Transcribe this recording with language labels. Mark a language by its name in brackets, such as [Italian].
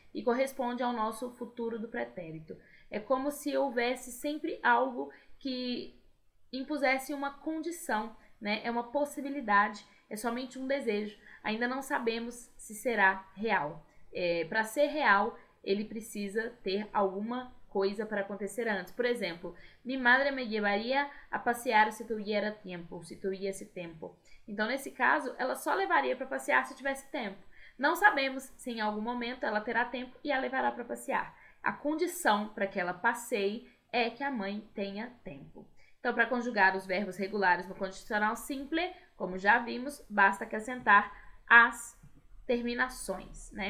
[Portuguese] E corresponde ao nosso futuro do pretérito. É como se houvesse sempre algo que impusesse uma condição, né? É uma possibilidade, é somente um desejo. Ainda não sabemos se será real. Para ser real, ele precisa ter alguma coisa para acontecer antes. Por exemplo, [Spanish] mi madre me llevaría a passear si tuviera tiempo, si tuviese tempo. [Portuguese] Então, nesse caso, ela só levaria para passear se tivesse tempo. Não sabemos se em algum momento ela terá tempo e a levará para passear. A condição para que ela passeie é que a mãe tenha tempo. Então, para conjugar os verbos regulares no condicional simple, como já vimos, basta acrescentar as terminações, né?